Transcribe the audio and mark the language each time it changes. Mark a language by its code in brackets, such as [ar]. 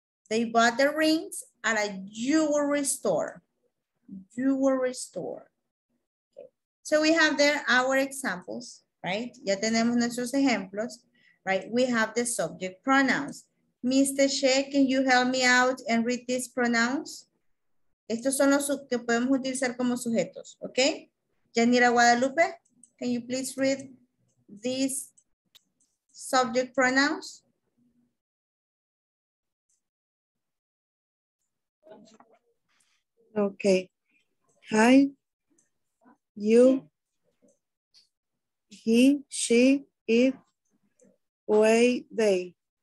[en] They bought the rings at a jewelry store. Jewelry store. Okay. So we have there our examples, right? [es] Ya tenemos nuestros ejemplos, [en] right? We have the subject pronouns. Mr. Shea, can you help me out and read these pronouns? [es] Estos son los que podemos utilizar como sujetos, ¿ok? [en] Yanira Guadalupe, can you please read these subject pronouns? Okay. Hi, you, he, she, it, we, they.